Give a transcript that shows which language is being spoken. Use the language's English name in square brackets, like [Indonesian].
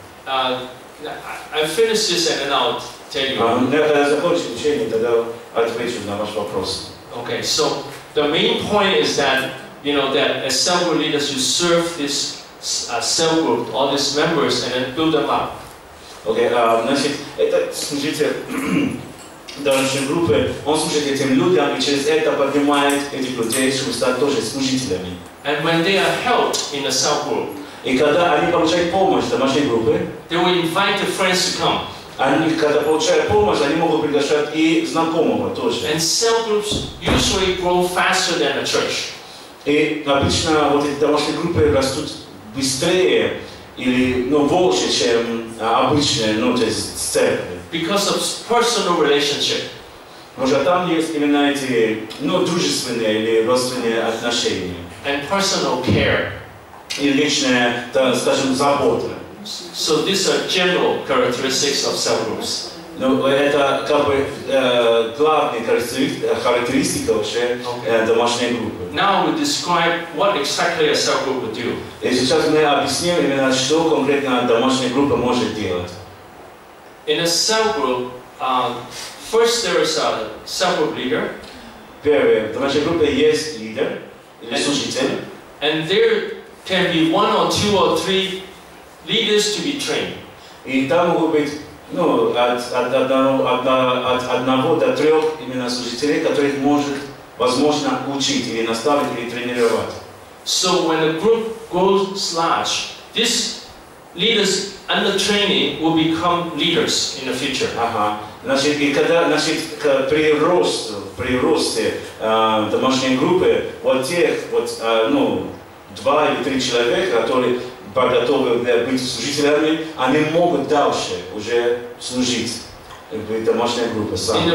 [English] I finish this and then I'll tell you. Okay, so the main point is that, you know, that as cell group leaders, you serve this cell group, all these members, and then build them up. [Russian] Okay, значит, это служите дальше группы, он служит этим людям, и через это поднимает этих людей, чтобы стать тоже служителями. [English] And when they are helped in the cell group, [Russian] и когда они получают помощь в домашней группе, [English] they will invite the friends to come. [Russian] Они, когда получают помощь, они могут приглашать и знакомого тоже. [English] And cell groups usually grow faster than a church. [Russian] И обычно вот эти домашние группы растут быстрее или больше, чем обычные, то есть церкви. [English] Because of personal relationship. [Russian] Может, там есть именно эти дружественные или родственные отношения. [English] And personal care. [Russian] И личная, скажем, забота. [English] So these are general characteristics of cell groups. [Russian] Это как бы главные характеристики вообще домашней группы. [English] Now we describe what exactly a cell group would do. [Russian] И сейчас мы объясним именно, что конкретно домашняя группа может делать. [English] In a cell group, first there is a cell group leader. [Russian] Первое, в домашней группе есть лидер или служитель. [English] And there can be one or two or three leaders to be trained. [Russian] И там могут быть, от одного до трех именно служителей, которых может, возможно, учить или наставить или тренировать. [English] So when a group grows large, these leaders under training will become leaders in the future. [Russian] Ага. Значит, и когда, значит, при росте домашней группы, два или три человека, которые подготовлены быть служителями, они могут дальше уже служить в домашней группе сами.